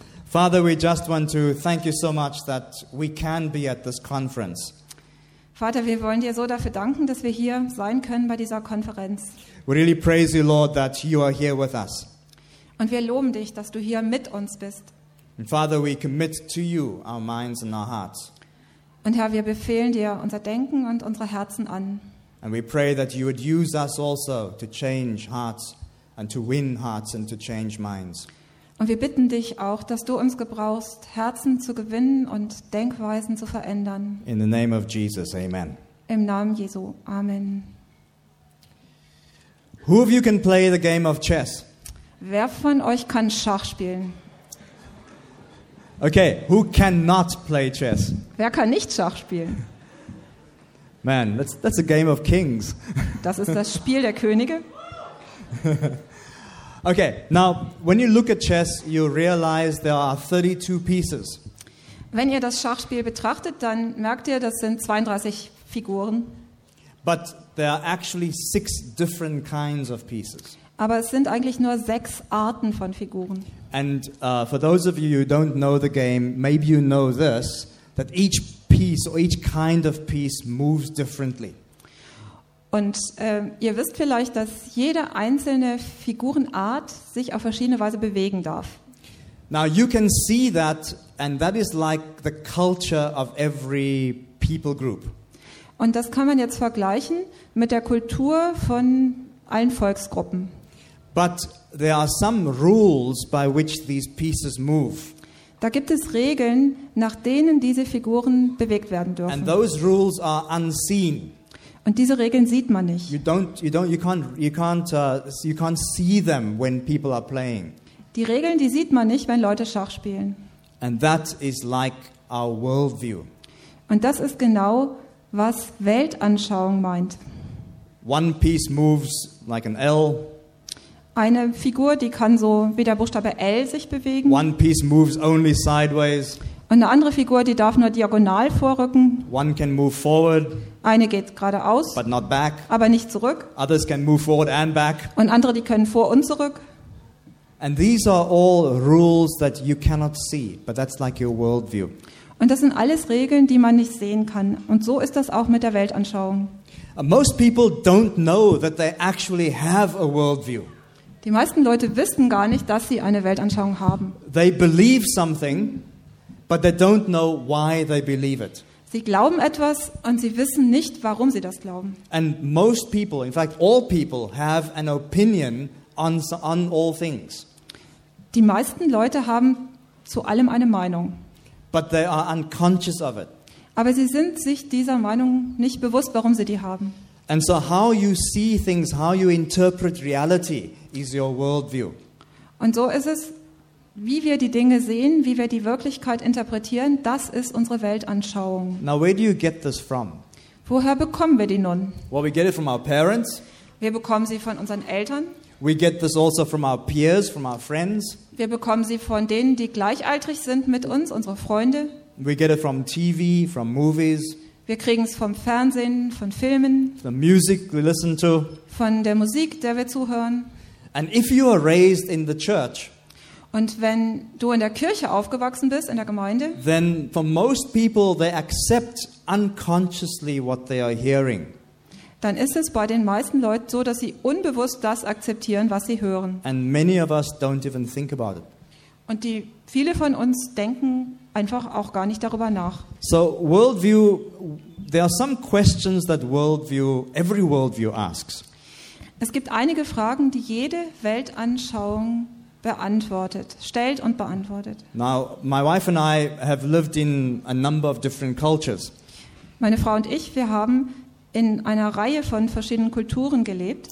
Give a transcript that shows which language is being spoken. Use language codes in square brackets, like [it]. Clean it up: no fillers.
[en] Father, we just want to thank you so much that we can be at this conference. [de] Vater, wir wollen dir so dafür danken, dass wir hier sein können bei dieser Konferenz. [en] We really praise you, Lord, that you are here with us. [de] Und wir loben dich, dass du hier mit uns bist. [en] And Father, we commit to you our minds and our hearts. [de] Und Herr, wir befehlen dir unser Denken und unsere Herzen an. [en] And we pray that you would use us also to change hearts and to win hearts and to change minds. [de] Und wir bitten dich auch, dass du uns gebrauchst, Herzen zu gewinnen und Denkweisen zu verändern. [en] In the name of Jesus, amen. [de] Im Namen Jesu, amen. [en] Who of you can play the game of chess? [de] Wer von euch kann Schach spielen? [en] Okay, who cannot play chess? [de] Wer kann nicht Schach spielen? [en] Man, that's a game of kings. [de] Das ist das Spiel der Könige. [en] Okay, now, when you look at chess, you realize there are 32 pieces. [de] Wenn ihr das Schachspiel betrachtet, dann merkt ihr, das sind 32 Figuren. [en] But there are actually 6 different kinds of pieces. [de] Aber es sind eigentlich nur 6 Arten von Figuren. [en] And for those of you who don't know the game, maybe you know this, that each piece or each kind of piece moves differently. [de] Und ihr wisst vielleicht, dass jede einzelne Figurenart sich auf verschiedene Weise bewegen darf. [en] Now you can see that, and that is like the culture of every people group. [de] Und das kann man jetzt vergleichen mit der Kultur von allen Volksgruppen. [en] But there are some rules by which these pieces move. [de] Da gibt es Regeln, nach denen diese Figuren bewegt werden dürfen. [en] And those rules are unseen. [de] Und diese Regeln sieht man nicht. [en] You can't see them when people are playing. [de] Die Regeln, die sieht man nicht, wenn Leute Schach spielen. [en] And that is like our worldview. [de] Und das ist genau, was Weltanschauung meint. [en] One piece moves like an L. [de] Eine Figur, die kann so wie der Buchstabe L sich bewegen. [en] One piece moves only sideways. [de] Und eine andere Figur, die darf nur diagonal vorrücken. [en] One can move forward. [de] Eine geht geradeaus, [en] but not back. [de] Aber nicht zurück. [en] Others can move forward and back. [de] Und andere, die können vor und zurück. [en] And these are all rules that you cannot see, but that's like your worldview. [de] Und das sind alles Regeln, die man nicht sehen kann. Und so ist das auch mit der Weltanschauung. [en] Most people don't know that they actually have a worldview. [de] Die meisten Leute wissen gar nicht, dass sie eine Weltanschauung haben. [en] They believe something, but they don't know why they believe it. [de] Sie glauben etwas und sie wissen nicht, warum sie das glauben. [en] And most people, in fact all people, have an opinion on all things. [de] Die meisten Leute haben zu allem eine Meinung. [en] But they are unconscious of it. [de] Aber sie sind sich dieser Meinung nicht bewusst, warum sie die haben. [en] And so how you see things, how you interpret reality is your worldview. [de] Und so ist es. Wie wir die Dinge sehen, wie wir die Wirklichkeit interpretieren, das ist unsere Weltanschauung. [en] Now, where do you get this from? [de] Woher bekommen wir die nun? [en] Well, we get it from our parents. [de] Wir bekommen sie von unseren Eltern. [en] We get this also from our peers, from our friends. [de] Wir bekommen sie von denen, die gleichaltrig sind mit uns, unsere Freunde. [en] We get it from TV, from movies. [de] Wir kriegen es vom Fernsehen, von Filmen. [en] The music we listen to. [de] Von der Musik, der wir zuhören. [en] And if you are raised in the church, [de] und wenn du in der Kirche aufgewachsen bist, in der Gemeinde, [en] then for most people they accept unconsciously what they are hearing. [de] Dann ist es bei den meisten Leuten so, dass sie unbewusst das akzeptieren, was sie hören. [en] And many of us don't even think about it. [de] Und die viele von uns denken einfach auch gar nicht darüber nach. [en] So worldview, there are some questions that worldview, every worldview asks. [de] Es gibt einige Fragen, die jede Weltanschauung beantwortet, stellt und beantwortet. [en] Now, my wife and I have lived in a number of different cultures. [de] Meine Frau und ich, wir haben in einer Reihe von verschiedenen Kulturen gelebt.